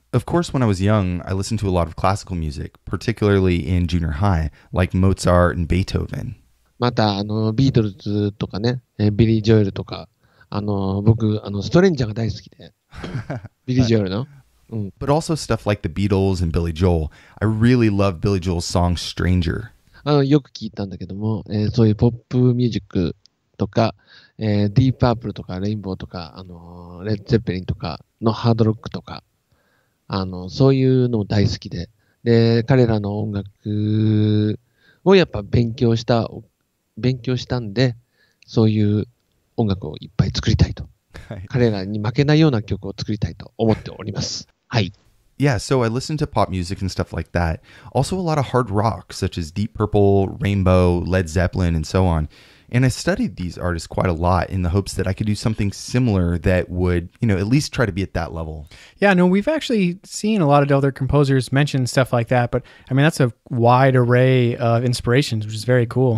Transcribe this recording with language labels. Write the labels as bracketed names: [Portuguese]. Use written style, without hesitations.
[English] Of course, when I was young, I listened to a lot of classical music, particularly in junior high, like Mozart and Beethoven. [Japanese] また、ビートルズとかね、ビリー・ジョエルとか、僕、ストレンジャーが大好きで、ビリー・ジョエルの。うん、 [English] But also stuff like the Beatles and Billy Joel. I really love Billy Joel's song Stranger. [Japanese] よく聞いたんだけども、そういうポップミュージックとか、ディープアップルとかレインボーとか、レッド・ゼッペリンとかのハードロックとか、そういうのも大好きで、で、彼らの音楽をやっぱ勉強したんで、そういう音楽をいっぱい作りたいと、はい、彼らに負けないような曲を作りたいと思っております。はい。 [English] Yeah, so I listen to pop music and stuff like that. Also a lot of hard rock, such as Deep Purple, Rainbow, Led Zeppelin, and so on. And I studied these artists quite a lot in the hopes that I could do something similar that would, you know, at least try to be at that level. Yeah, no, we've actually seen a lot of other composers mention stuff like that, but I mean, that's a wide array of inspirations, which is very cool.